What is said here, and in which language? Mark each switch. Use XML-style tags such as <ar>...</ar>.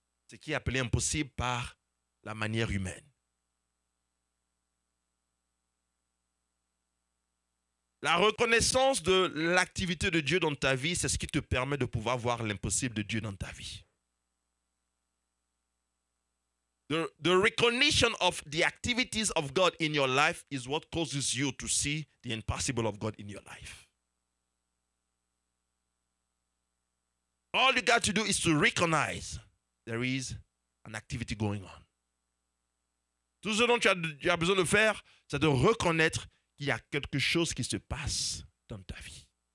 <fr>Ce qui est appelé impossible par la manière humaine. La reconnaissance de l'activité de Dieu dans ta vie, c'est ce qui te permet de pouvoir voir l'impossible de Dieu dans ta vie.</fr> <en>The recognition of the activities of God in your life is what causes you to see the impossible of God in your life. All you got to do is to recognize there is an activity going on.</en> <fr>Tout ce dont tu as besoin de faire, c'est de reconnaître qu'il y a quelque chose qui se passe dans ta vie.</fr>